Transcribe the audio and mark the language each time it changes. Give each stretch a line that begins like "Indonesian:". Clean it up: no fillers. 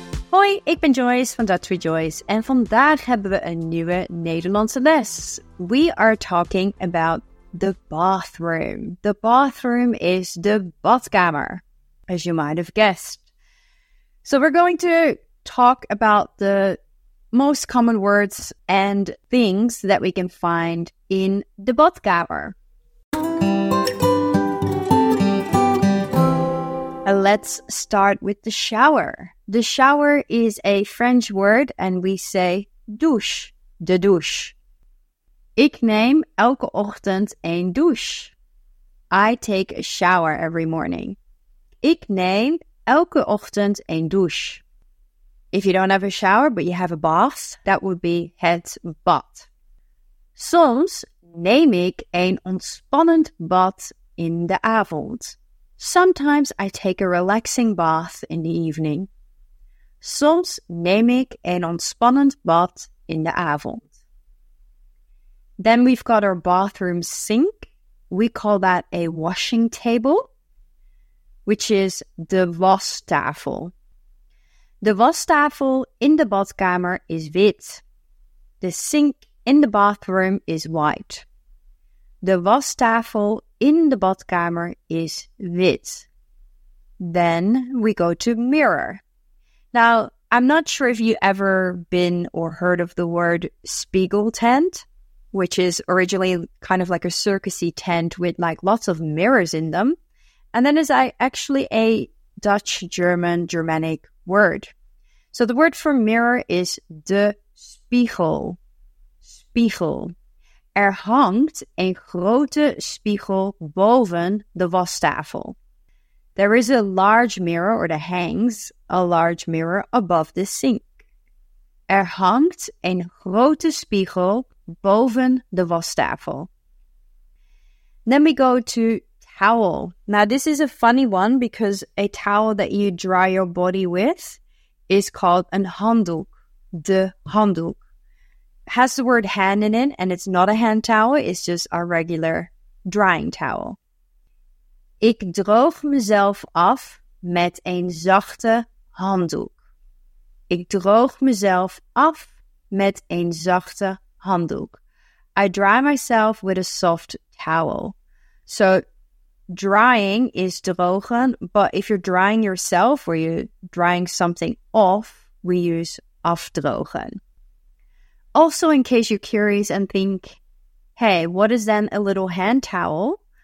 Dutch: Hoi, ik ben Joyce van Dutch with Joyce en vandaag hebben we een nieuwe Nederlandse les.
English: We are talking about the bathroom. The bathroom is de badkamer, as you might have guessed. So we're going to talk about the most common words and things that we can find in the badkamer. Let's start with the shower. The shower is a French word and we say douche, de douche.
Dutch: Ik neem elke ochtend een douche.
English: I take a shower every morning.
Dutch: Ik neem elke ochtend een douche.
English: If you don't have a shower but you have a bath, that would be het bad.
Dutch: Soms neem ik een ontspannend bad in de avond.
English: Sometimes I take a relaxing bath in the evening.
Dutch: Soms neem ik een ontspannend bad in de avond.
English: Then we've got our bathroom sink. We call that a washing table, which is de wastafel.
Dutch: De wastafel in de badkamer is wit.
English: The sink in the bathroom is white.
Dutch: De wastafel in de badkamer is wit.
English: Then we go to mirror. Now, I'm not sure if you ever been or heard of the word spiegel tent, which is originally kind of like a circusy tent with like lots of mirrors in them. And then is actually a Dutch, German, Germanic word. So the word for mirror is de spiegel. Spiegel.
Dutch: Er hangt een grote spiegel boven de wastafel.
English: There is a large mirror, or there hangs a large mirror above the sink.
Dutch: Er hangt een grote spiegel boven de wastafel.
English: Then we go to towel. Now, this is a funny one because a towel that you dry your body with is called een handdoek.
Dutch: De handdoek.
English: Has the word hand in it, and it's not a hand towel, it's just a regular drying towel.
Dutch: Ik droog mezelf af met een zachte handdoek. Ik droog mezelf af met een zachte handdoek.
English: I dry myself with a soft towel. So, drying is drogen, but if you're drying yourself or you're drying something off, we use afdrogen. Also, in case you're curious and think, hey, what is then a little hand towel?